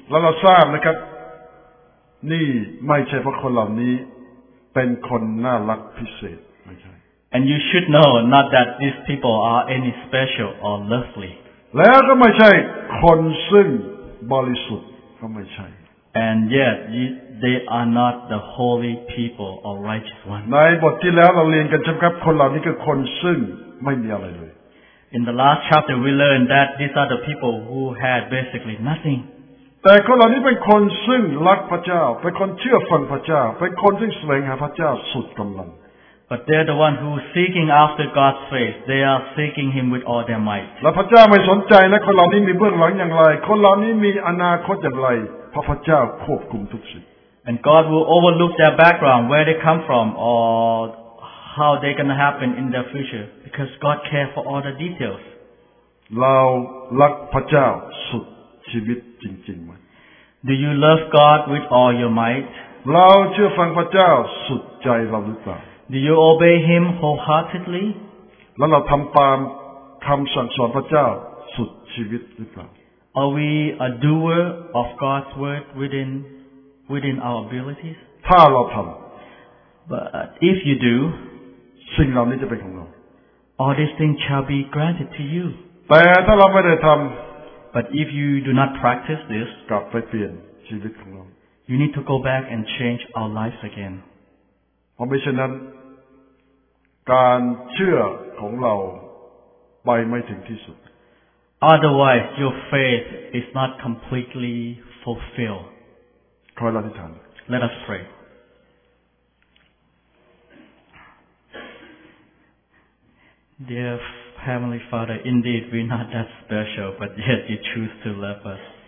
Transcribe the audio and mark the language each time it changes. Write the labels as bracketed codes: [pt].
[th] แล้วเราทราบนะครับนี่ไม่ใช่เพราะคนเหล่านี้เป็นคนน่ารักพิเศษไม่ใช่ [en] And you should know not that these people are any special or lovely [th] แล้วก็ไม่ใช่คนซึ่งบริสุทธิ์ก็ไม่ใช่ [en] And yet, they are not the holy people or righteous ones. [th] ในบทที่แล้วเราเรียนกันใช่ไหมครับคนเหล่านี้คือคนซึ่งไม่มีอะไรเลย [en] In the last chapter, we learned that these are the people who had basically nothing. [th] แต่คนเหล่านี้เป็นคนซึ่งรักพระเจ้าเป็นคนเชื่อฟังพระเจ้าเป็นคนซึ่งแสวงหาพระเจ้าสุดกำลัง [en] But they're the one who seeking after God's face. They are seeking Him with all their might. [th] และพระเจ้าไม่สนใจนะคนเหล่านี้มีเบื้องหลังอย่างไรคนเหล่านี้มีอนาคตอย่างไรพระเจ้าควบคุมทุกสิ่ง [en] And God will overlook their background, where they come from, or how they're going to happen in their future, because God cares for all the details. [th] เรารักพระเจ้าสุดชีวิตจริงๆไหม [en] Do you love God with all your might? [th] เราเชื่อฟังพระเจ้าสุดใจเราหรือเปล่า [en] Do you obey Him wholeheartedly? [th] แล้วเราทำตามคำสั่งสอนพระเจ้าสุดชีวิตหรือเปล่า [en] Are we a doer of God's word within our abilities? [th] ถ้าเราทำ [en] But if you do, [th] สิ่งเหล่านี้จะเป็นของเรา [en] All these things shall be granted to you. [th] แต่ถ้าเราไม่ได้ทำ [en] But if you do not practice this, [th] กลับไปเปลี่ยนชีวิตของเรา [en] You need to go back and change our lives again. [th] เพราะไม่เช่นนั้นการเชื่อของเราไปไม่ถึงที่สุด [en] Otherwise, your faith is not completely fulfilled. Let us pray. Dear Heavenly Father, indeed we're not that special, but yet you choose to love us.